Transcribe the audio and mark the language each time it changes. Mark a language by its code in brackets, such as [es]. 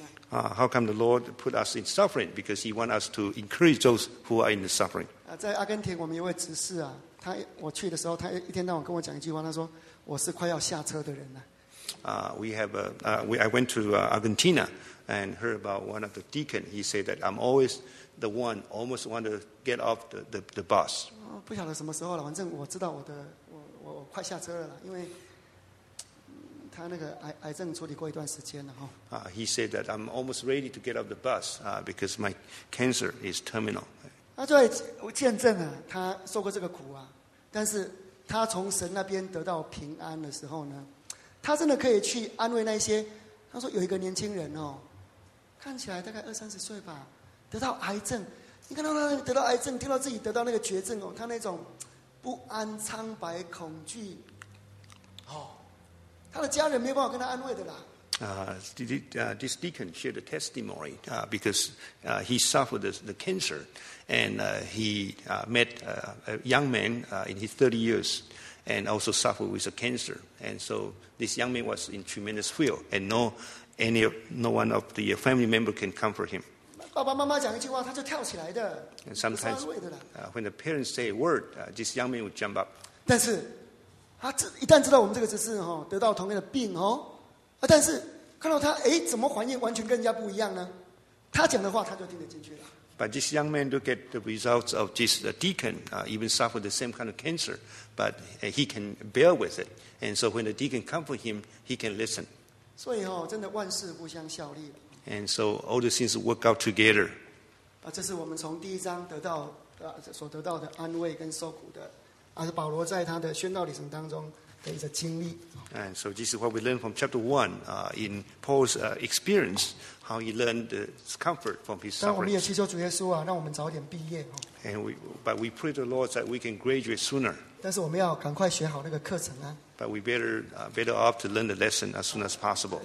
[en] How come the Lord put us in suffering? Because he wants us to encourage those who are in the suffering. [zh] 在阿根廷我们有位执事啊，他我去的时候他一天到晚跟我讲一句话，他说我是快要下车的人了。 [en] I went to Argentina and heard about one of the deacons. He said that I'm always the one almost want to get off the bus. [zh] 不晓得什么时候了，反正我知道我快下车了，因为他那个癌症处理过一段时间了哈。 [en] He said that I'm almost ready to get off the bus because my cancer is terminal. [zh] 他就在见证啊，他受过这个苦啊，但是他从神那边得到平安的时候呢，他真的可以去安慰那些。他说有一个年轻人哦，看起来大概二三十岁吧。得到癌症，你看到他得到癌症，听到自己得到那个绝症哦，他那种不安、苍白、恐惧，哦，他的家人没有办法跟他安慰的啦。 [en] This deacon shared a testimony because he suffered the cancer, and he met a young man in his 30 years, and also suffered with a cancer, and so this young man was in tremendous fear, and no one of the family member can comfort him. [zh] 爸爸妈妈讲一句话，他就跳起来的，不是安慰的了。 [en] When the parents say a word, this young man would jump up. [zh] 但是，他一旦知道我们这个只是哈得到同样的病哦，但是看到他哎，怎么反应完全跟人家不一样呢？他讲的话他就听得进去了。 [en] But this young man look at the results of this deacon, even suffered the same kind of cancer, but he can bear with it. And so when the deacon comfort him, he can listen. [zh] 所以哦，真的万事互相效力。 [en] And so all the things work out together. [zh] 这是我们从第一章得到所得到的安慰跟受苦的，而是保罗在他的宣道旅程当中，的一些经历。 [en] And so this is what we learn from chapter 1, in Paul's experience, how he learned the comfort from his sufferings. [zh] 但我们也祈求主耶稣啊，让我们早点毕业。 [en] And we pray to the Lord that we can graduate sooner. [zh] 但是我们要赶快学好那个课程啊。 [en] But we better off to learn the lesson as soon as possible.